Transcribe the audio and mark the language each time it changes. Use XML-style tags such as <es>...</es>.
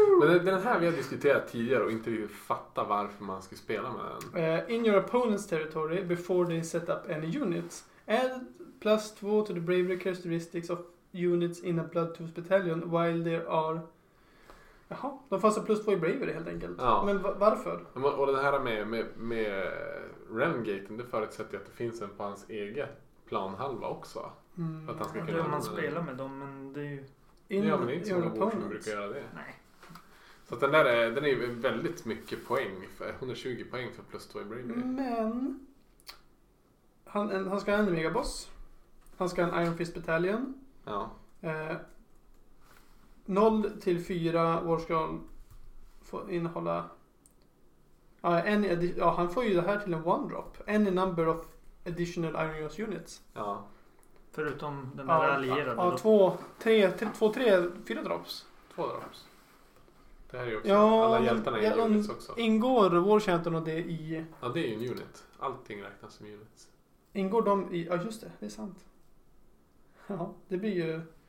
<sv>Men det är den här vi har diskuterat tidigare och inte riktigt fatta varför man ska spela med den.</sv> <en>In your opponent's territory before they set up any units. Add +2 to the bravery characteristics of units in a Bloodtooth battalion while there are...</en> <sv>Jaha, de får alltså +2 i bravery helt enkelt. Ja. Men varför? Och det här med Realmgaten, det förutsätter att det finns en på hans egen planhalva också. Mm. Att han ska kunna man spela med dem, men det är ju... men det är inte så många bord som brukar göra det. Nej. Så att den är ju väldigt mycket poäng, 120 poäng för +2 i bravery. Men han ska ha en megaboss. Han ska ha en Iron Fist Battalion. Ja. 0-4 Warscroll får innehålla han får ju det här till en one drop.</sv> <en>Any number of additional Iron Jaws units.</en> <sv>Ja. Förutom den där allierade. Ja, 2-3-4 drops. 2 drops. Det här är ju också alla hjältarna i units också. Ingår Warchantern och det i... Ja, det är ju en unit. Allting räknas som units. Ingår de i... Ja, just det. Det är sant. Ja, det blir ju...</sv>